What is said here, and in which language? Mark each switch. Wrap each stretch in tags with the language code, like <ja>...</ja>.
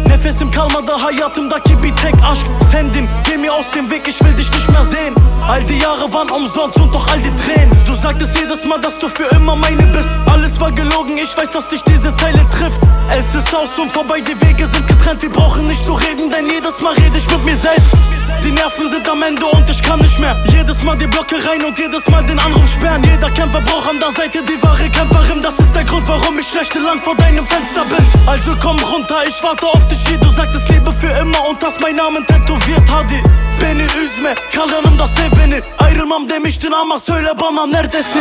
<tr>Nefesim kalmadı, hayatımdaki bir tek aşk sendin.</tr> <de>Geh mir aus dem Weg, ich will dich nicht mehr sehen. All die Jahre waren umsonst und doch all die Tränen. Du sagtest jedes Mal, dass du für immer meine bist. Alles war gelogen, ich weiß, dass dich diese Zeile trifft. Es ist aus und vorbei, die Wege sind getrennt. Wir brauchen nicht zu reden, denn jedes Mal rede ich mit mir selbst. Die Nerven sind am Ende und ich kann nicht mehr. Jedes Mal die Blocke rein und jedes Mal den Anruf sperren. Jeder Kämpfer braucht an der Seite die wahre Kämpferin. Das ist der Grund, warum ich schlechte lang vor deinem Fenster bin. Also komm runter, ich warte auf dich hier. Du sagtest Liebe für immer und hast meinen Namen tätowiert.</de> <tr>Hadi, beni üzme, kalanım da sev beni. Ayrılmam demiştin ama söyle bana neredesin.</tr>